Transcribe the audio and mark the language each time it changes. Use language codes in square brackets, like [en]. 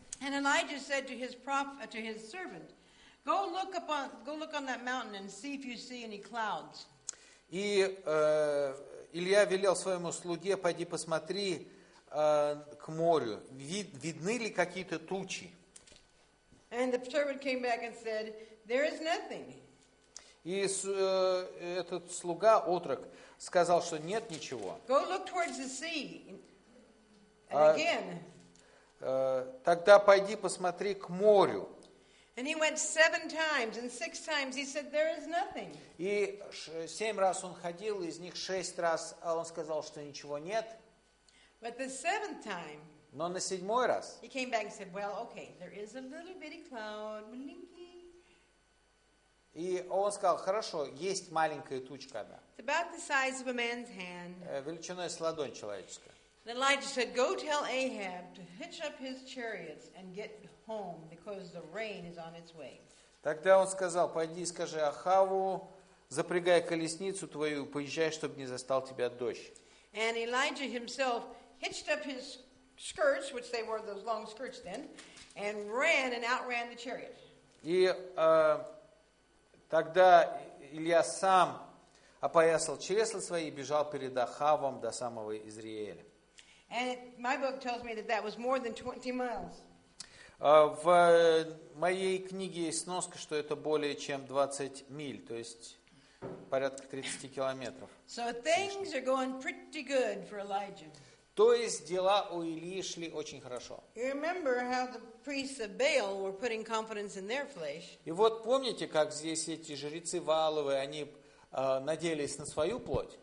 [en] And Elijah said to his servant, go look on that mountain and see if you see any clouds. [ru] И Илья велел своему слуге, пойди посмотри к морю. Видны ли какие-то тучи? [en] And the servant came back and said, there is nothing. [ru] И этот слуга, отрок, сказал, что нет ничего. [en] Go look towards the sea. And again. [ru] Тогда пойди посмотри к морю. [en] And he went seven times, and six times he said, there is nothing. [ru] И семь раз он ходил, из них шесть раз он сказал, что ничего нет. [en] But the seventh time, [ru] но на седьмой раз, [en] he came back and said, well, okay, there is a little bitty cloud. [ru] И он сказал, хорошо, есть маленькая тучка одна. [en] It's about the size of a man's hand. [ru] Величиной с ладонь человеческая. [en] Then Elijah said, go tell Ahab to hitch up his chariots and get home, because the rain is on its way. [ru] Тогда он сказал, пойди и скажи Ахаву, запрягай колесницу твою, поезжай, чтобы не застал тебя дождь. [en] And Elijah himself hitched up his skirts, which they wore those long skirts then, and ran and outran the chariot. [ru] И тогда Илья сам опоясал чресла свои и бежал перед Ахавом до самого Изреэля. [en] And my book tells me that was more than 20 miles. [ru] В моей книге есть сноска, что это более чем 20 миль, то есть порядка 30 километров. [en] So things are going pretty good for Elijah. [ru] То есть дела у Илии шли очень хорошо. И вот помните, как здесь эти жрецы Ваалы, они надеялись на свою плоть.